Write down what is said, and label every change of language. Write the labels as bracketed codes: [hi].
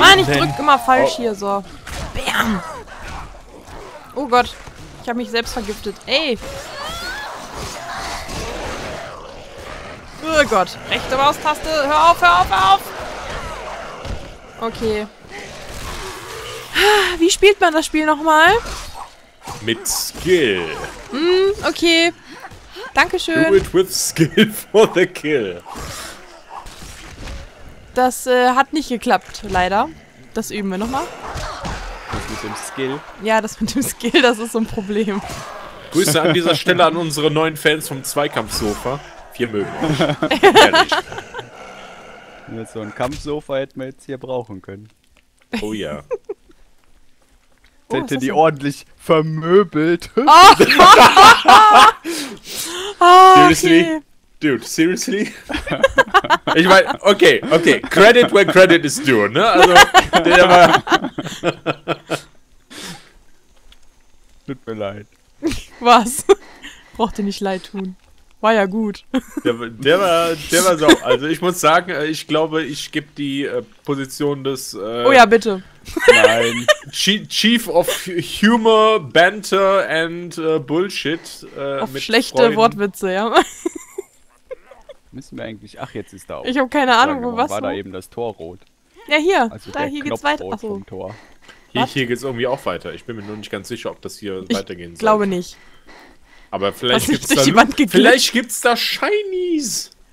[de] Mann, ich drück immer falsch hier so. Bam! Oh Gott, ich habe mich selbst vergiftet. Ey! Oh Gott, rechte Maustaste, hör auf, hör auf, hör auf! Okay. Wie spielt man das Spiel nochmal? Mit Skill. Hm, okay. Dankeschön. [en] Do it with skill for the kill. [de] Das hat nicht geklappt, leider. Das üben wir nochmal. Das mit dem Skill? Ja, das mit dem Skill, das ist so ein Problem. Grüße an dieser Stelle an unsere neuen Fans vom Zweikampfsofa. Wir mögen euch. Ehrlich. So ein Kampfsofa hätten wir jetzt hier brauchen können. Oh ja. Hätte die ordentlich vermöbelt. Oh, okay. [en] Seriously? Dude, seriously? [de] Ich meine, okay, okay. [en] Credit where credit is due, ne? [de] Also, der war. Tut mir leid. Was? Braucht ihr nicht leid tun. War ja gut. Der war so. Also, ich muss sagen, ich glaube, ich gebe die Position des. Oh ja, bitte. Nein. [en] Chief of Humor, Banter and Bullshit. [de] Auf mit schlechte Freunden. Wortwitze, ja. Müssen wir eigentlich. Ach, jetzt ist da auch. Ich habe keine Ahnung, wo was. War so? Da eben das Tor rot? Ja, hier. Also da, der hier Knopf geht's weiter. Vom Tor. Hier geht's irgendwie auch weiter. Ich bin mir nur nicht ganz sicher, ob das hier ich weitergehen soll. Ich glaube nicht. Aber vielleicht gibt's da Shinies.